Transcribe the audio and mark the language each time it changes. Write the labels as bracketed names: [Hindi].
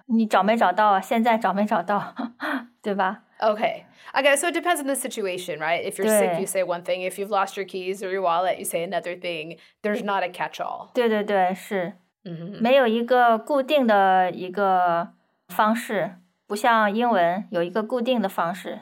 [Chinese] 你找没找到？现在找没找到？对吧？ [English] Okay. Okay, so it depends on the situation, right? If you're sick, you say one thing. If you've lost your keys or your wallet, you say another thing. There's not a catch-all. [Chinese] 对，是。没有一个固定的一个方式，不像英文有一个固定的方式。